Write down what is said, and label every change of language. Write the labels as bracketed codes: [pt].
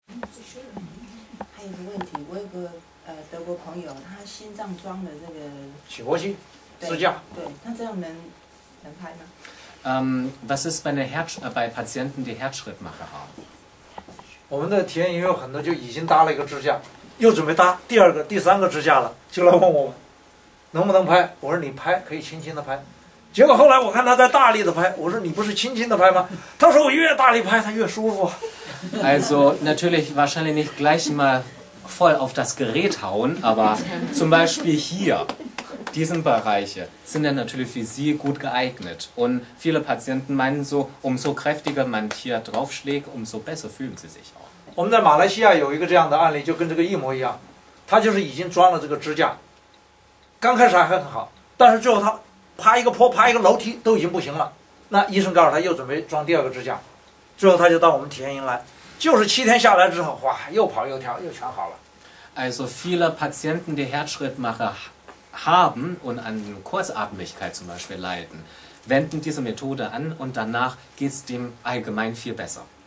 [zh] 一个问题，我有个德国朋友，他心脏装了这个起搏器支架，对，他这样能拍吗？ [de] Was ist bei Patienten, die Herzschrittmacher haben? [zh] 我们的体验营有很多就已经搭了一个支架，又准备搭第二个、第三个支架了，就来问我们能不能拍。我说你拍可以轻轻的拍，结果后来我看他在大力的拍，我说你不是轻轻的拍吗？他说我越大力拍他越舒服。 [de] Also natürlich wahrscheinlich nicht gleich mal voll auf das Gerät hauen, aber zum Beispiel hier. Diese Bereiche sind ja natürlich für Sie gut geeignet. Und viele Patienten meinen so, umso kräftiger man hier draufschlägt, umso besser fühlen sie sich auch. [zh] 我们在马来西亚有一个这样的案例，就跟这个一模一样。他就是已经装了这个支架，刚开始还很好，但是最后他爬一个坡、爬一个楼梯都已经不行了。那医生告诉他又准备装第二个支架，最后他就到我们体验营来，就是七天下来之后，哇，又跑又跳又全好了。 [de] Also viele Patienten, die Herzschrittmacher haben und an Kurzatmigkeit zum Beispiel leiden, wenden diese Methode an und danach geht es dem allgemein viel besser.